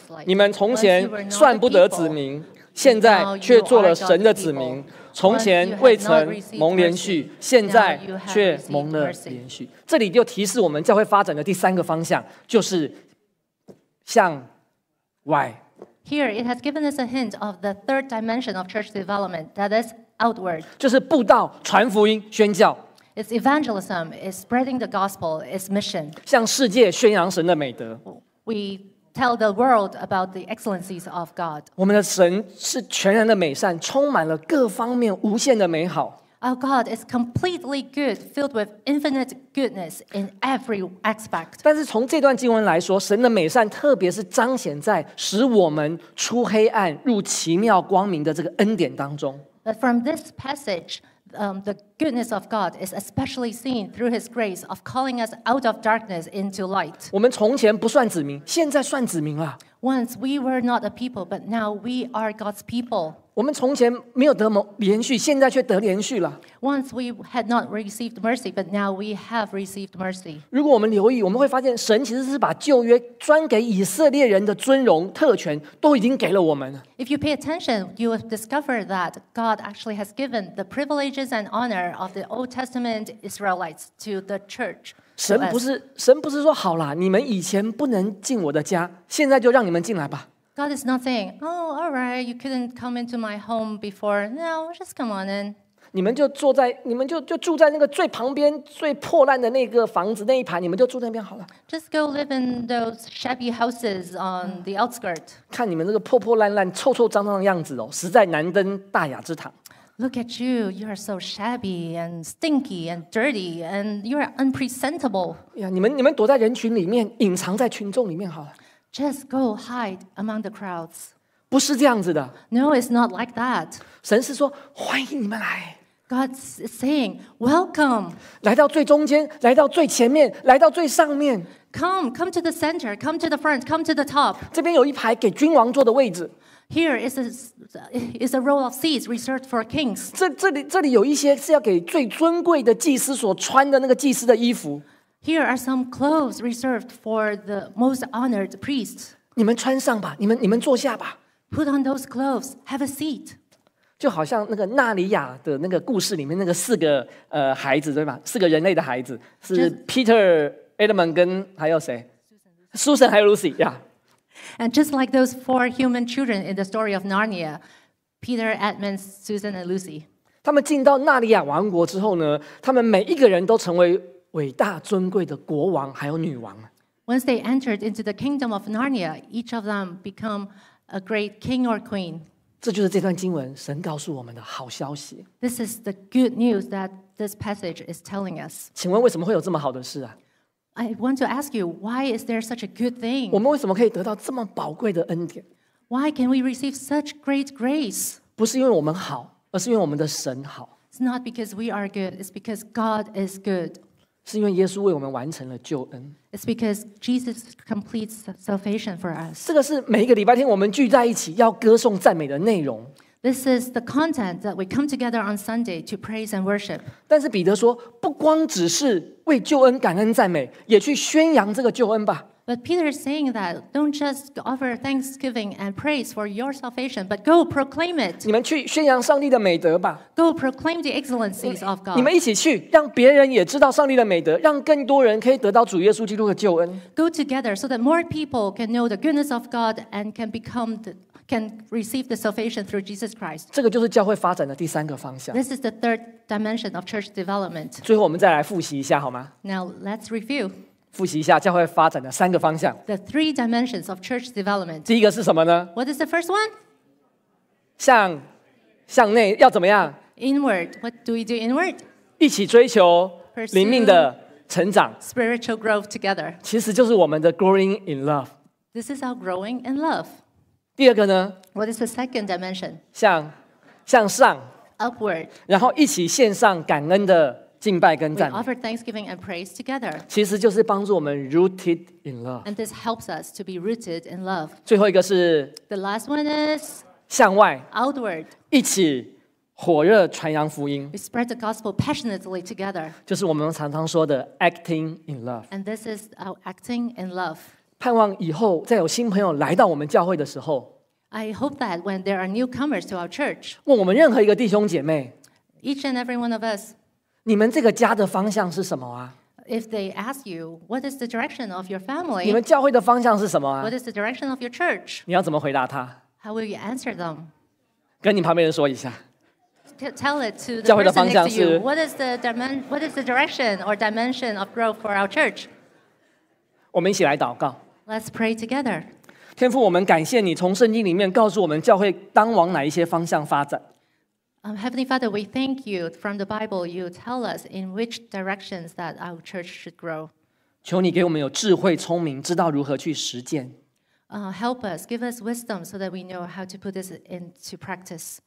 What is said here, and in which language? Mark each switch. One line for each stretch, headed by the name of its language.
Chinese: 你们从前算不得子民，现在却做了神的子民。从前未曾蒙连续现在却蒙了连续这里就提示我们教会发展的第三个方向就是向外
English: Here it has given us a hint of the third dimension of church development that is outward
Chinese: 就是布道传福音宣教
English: It's evangelism. It's spreading the gospel. It's mission.
Chinese: 向世界宣扬神的美德。
English: We tell the world about the excellencies of God.
Chinese: 我们的神是全然的美善，充满了各方面无限的美好。
English: Our God is completely good, filled with infinite goodness in every aspect.
Chinese: 但是从这段经文来说，神的美善特别是彰显在使我们出黑暗入奇妙光明的这个恩典当中。
English: But from this passage, the goodness of God is especially seen through His grace of calling us out of darkness into light.
Chinese: 我们从前不算子民，现在算子民了。
English: Once we were not a people, but now we are God's people.
Chinese: 我们从前没有得连续，现在却得连续了。
English: Once we had not received mercy, but now we have received mercy.
Chinese: 如果我们留意，我们会发现神其实是把旧约专给以色列人的尊荣特权都已经给了我们。
English: If you pay attention, you will discover that God actually has given the privileges and honor of the Old Testament Israelites to the church.
Chinese: 神不是说好了，你们以前不能进我的家，现在就让你们进来吧。
English: God is not saying, oh, all right, you couldn't come into my home before. Now, just come on in.
Chinese: 你们就住在那个最旁边最破烂的那个房子那一排，你们就住那边好了。
English: Just go live in those shabby houses on the outskirt.
Chinese: 看你们这个破破烂烂、臭臭脏脏的样子哦，实在难登大雅之堂。
English: Look at you, you are so shabby and stinky and dirty and you are unpresentable.
Chinese: Yeah, 你们躲在人群里面，隐藏在群众里面好了。
English: Just go hide among the crowds.
Chinese: 不是这样子的。
English: No, it's not like that.
Chinese: 神是说，欢迎你们来。
English: God is saying, welcome.
Chinese: 来到最中间，来到最前面，来到最上面。
English: Come to the center, come to the front, come to the top.
Chinese: 这边有一排给君王坐的位置。
English: Here is a row of seats reserved for kings.
Chinese: 这里有一些是要给最尊贵的祭司所穿的那个祭司的衣服。
English: Here are some clothes reserved for the most honored priests.
Chinese: 你们穿上吧，你们坐下吧。
English: Put on those clothes. Have a seat.
Chinese: 就好像那个纳尼亚的那个故事里面那个四个孩子对吧？四个人类的孩子是 Peter, Edmund 跟还有谁 ？Susan 还有 Lucy 呀、yeah.。
English: And just like those four human children in the story of Narnia, Peter, Edmund, Susan, and Lucy.
Chinese: 他们进到纳尼亚王国之后呢，他们每一个人都成为伟大尊贵的国王还有女王。
English: Once they entered into the kingdom of Narnia, each of them became a great king or queen.
Chinese: 这就是这段经文神告诉我们的好消息。
English: This is the good news that this passage is telling us.
Chinese: 请问为什么会有这么好的事啊？
English: I want to ask you, why is there such a good thing?
Chinese: 我们为什么可以得到这么宝贵的恩典？
English: Why can we receive such great grace?
Chinese: 不是因为我们好，而是因为我们的神好。
English: It's not because we are good, it's because God is good.
Chinese: 是因为耶稣为我们完成了救恩。
English: It's because Jesus completes salvation for us.
Chinese: 这个是每一个礼拜天我们聚在一起要歌颂赞美的内容。
English: This is the content that we come together on Sunday to praise and worship.
Chinese: 但是彼得说，不光只是为救恩感恩赞美，也去宣扬这个救恩吧。
English: But Peter is saying that don't just offer thanksgiving and praise for your salvation, but go proclaim it.
Chinese: 你们去宣扬上帝的美德吧。
English: Go proclaim the excellencies of God.
Chinese: 你们一起去，让别人也知道上帝的美德，让更多人可以得到主耶稣基督的救恩。
English: Go together so that more people can know the goodness of God and can become the. Can receive the salvation through Jesus Christ.
Chinese: 这个就是教会发展的第三个方向。
English: This is the third dimension of church development.
Chinese: 最后我们再来复习一下好吗？
English: Now let's review.
Chinese: 复习一下教会发展的三个方向。
English: The three dimensions of church development.
Chinese: 第一个是什么呢？
English: What is the first one?
Chinese: 向内要怎么样？
English: Inward. What do we do inward?
Chinese: 一起追求灵命的成长。
English: Pursue spiritual growth together.
Chinese: 其实就是我们的
English: growing in love. This is our growing in love.
Chinese: 第二个呢
English: ？What is the second dimension？
Chinese: 向上
English: ，upward，
Chinese: 然后一起献上感恩的敬拜跟赞美。
English: We offer thanksgiving and praise together。
Chinese: 其实就是帮助我们
English: rooted in love。 And this helps us to be rooted in love。
Chinese: 最后一个是
English: ？The last one is
Chinese: 向外
English: ，outward，
Chinese: 一起火热传扬福音。
English: We spread the gospel passionately together。
Chinese: 就是我们常常说的
English: acting in love。 And this is our acting in love。
Chinese: 盼望以后再有新朋友来到我们教会的时候
English: I hope that when there are newcomers to our church
Chinese: 问我们任何一个弟兄姐妹
English: Each and every one of us
Chinese: 你们这个家的方向是什么啊
English: If they ask you What is the direction of your family
Chinese: 你们教会的方向是什么啊
English: What is the direction of your church
Chinese: 你要怎么回答他
English: How will you answer them
Chinese: 跟你旁边人说一下
English: tell it to the person next to you. What is the direction or dimension of growth for our church?
Chinese: 我们一起来祷告。
English: Let's pray together.
Chinese: 天父，我们感谢你从圣经里面告诉我们教会当往哪一些方向发展。
English: Heavenly Father, we thank you from the Bible. You tell us in which directions that our church should grow.
Chinese: 求你给我们有智慧、聪明，知道如何去实践。
English: Help us, give us wisdom so that we know how to put this into practice.